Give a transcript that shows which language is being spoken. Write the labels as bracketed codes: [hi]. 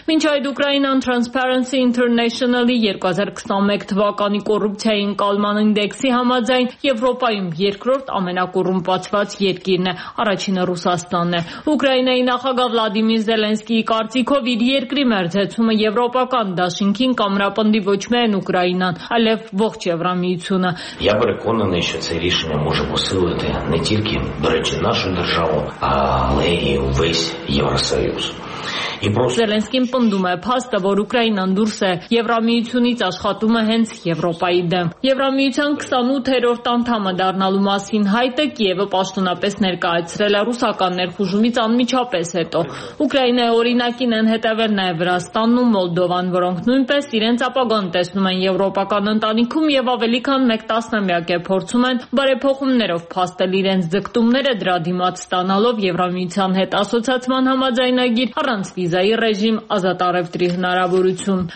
[hy] Մինչ այդ Ուկրաինան Transparency International-ի 2021 թվականի կոռուպցիայի ընկալման ինդեքսի համաձայն Եվրոպայում երկրորդ ամենակոռումպացված երկիրն է, առաջինը Ռուսաստանն է։ Ուկրաինայի նախագահ Վլադիմիր Զելենսկիի կարծիքով իր երկրի մերձեցումը եվրոպական դաշինքին կամրապնդի ոչ միայն Ուկրաինան, այլև ողջ Եվրամիությունը։ [uk] Я переконаний, що це рішення може посилити не тільки, до речі, нашу державу, але й весь Євросоюз. [hy] Զելենսկին պնդում է փաստը, որ Ուկրաինան դուրս է Եվրամիությունից, աշխատում է հենց Եվրոպայի դեմ։ Եվրամիության 28-րդ անդամը դառնալու մասին հայտը Կիևը պաշտոնապես ներկայացրել է ռուսական ներխուժումից անմիջապես հետո։ Ուկրաինայի օրինակին են հետևել նաև Վրաստանն ու Մոլդովան, որոնք նույնպես իրենց ապագան տեսնում են եվրոպական ընտանիքում և ավելի քան 1/10 է փորձում են բարեփոխումներով փաստել իրենց ձգտումները, դրա դիմաց ստանալով Եվրամիության հետ ասոցացման համաձայնագիր առանց վիզայի ռեժիմ, ազատ առևտրի հնարավորություն։